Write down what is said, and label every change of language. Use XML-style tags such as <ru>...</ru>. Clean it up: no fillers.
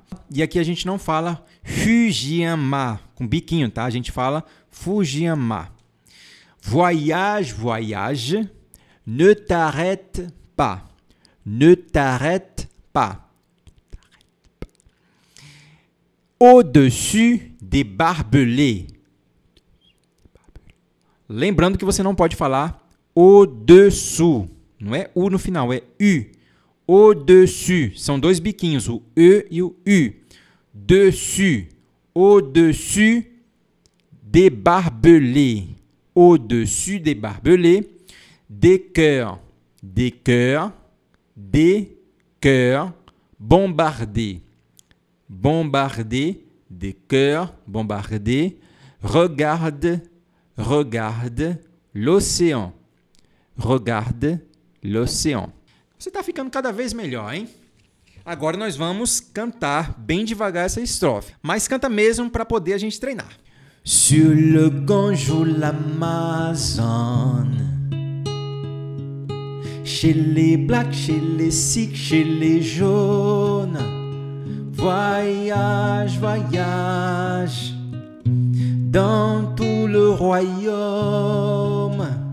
<pt>E aqui a gente não fala Fujiyama, com biquinho, tá? A gente fala Fujiyama.</pt> <fr>Voyage, voyage, ne t'arrête pas. Ne t'arrête pas. Au-dessus des barbelés.</fr> <pt>Lembrando que você não pode falar au-dessous, não é U no final, é U. Au-dessus, são dois biquinhos, o E e o U.</pt> <fr>Dessus, au-dessus des barbelés. Au-dessus des barbelés. Des cœurs, des cœurs, des cœurs bombardés. Bombardés, des cœurs bombardés. Regarde, regarde l'océan. Regarde l'océan.</fr> <pt>Você está ficando cada vez melhor, hein? Agora nós vamos cantar bem devagar essa estrofe. Mas canta mesmo para poder a gente treinar.</pt> <fr>Sur le Gange ou l'Amazone, chez les Blacks, chez les Sikhs, chez les Jaunes, voyage, voyage, dans tout le royaume.</fr>